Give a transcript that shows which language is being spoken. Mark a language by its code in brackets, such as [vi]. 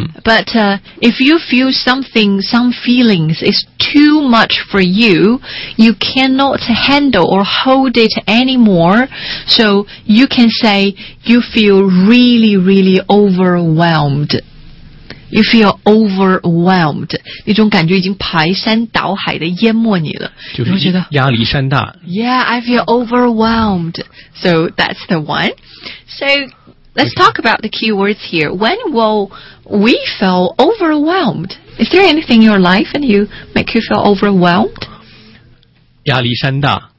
[en] But if you feel something, some feelings is too much for you, you cannot handle or hold it anymore, so you can say you feel really, really overwhelmed. You feel overwhelmed. [zh] 那种感觉已经排山倒海的淹没你了。就是压力山大。 [en] Yeah, I feel overwhelmed. So that's the one. So Let's talk about the keywords here. When will we feel overwhelmed? Is there anything in your life and you make you feel overwhelmed? [zh] 压力山大